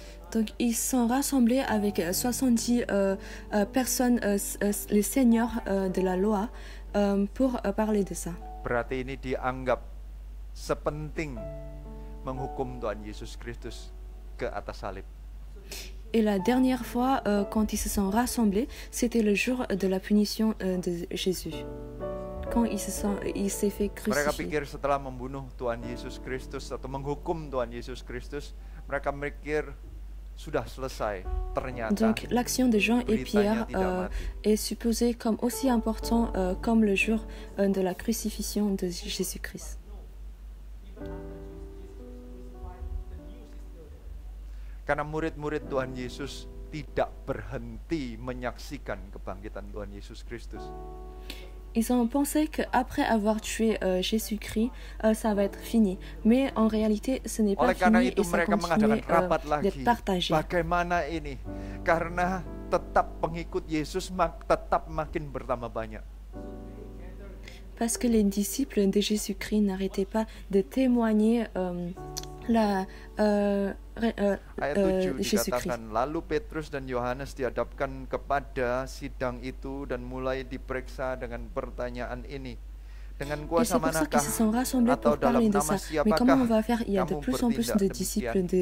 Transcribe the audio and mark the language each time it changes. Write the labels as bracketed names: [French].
[French] Donc ils sont rassemblés avec 70 personnes les seigneurs de la loi pour parler de ça. [Indonesian] Berarti ini dianggap sepenting menghukum Tuhan Yesus Kristus ke atas salib. [French] Et la dernière fois quand ils se sont rassemblés, c'était le jour de la punition de Jésus. Quand il s'est fait crucifier. [Indonesian] Mereka pikir setelah membunuh Tuhan Yesus Kristus atau menghukum Tuhan Yesus Kristus, mereka mikir sudah selesai. Ternyata. [French] Donc l'action de Jean et Pierre est supposée comme aussi important comme le jour de la crucifixion de Jésus-Christ. [Indonesian] Karena murid-murid Tuhan Yesus tidak berhenti menyaksikan kebangkitan Tuhan Yesus Kristus. [French] Ils ont pensé que après avoir tué Jésus-Christ, ça va être fini. Mais en réalité, ce n'est pas fini. [Indonesian] Oleh karena itu mereka mengadakan rapat lagi. Bagaimana ini? Karena tetap pengikut Yesus tetap makin bertambah banyak. [French] Parce que les disciples de Jésus-Christ n'arrêtaient pas de témoigner [Indonesian] Ayat 7 dikatakan, lalu Petrus dan Yohanes dihadapkan kepada sidang itu dan mulai diperiksa dengan pertanyaan ini. Dengan kuasa manakah atau dalam nama siapakah kamu bertindak?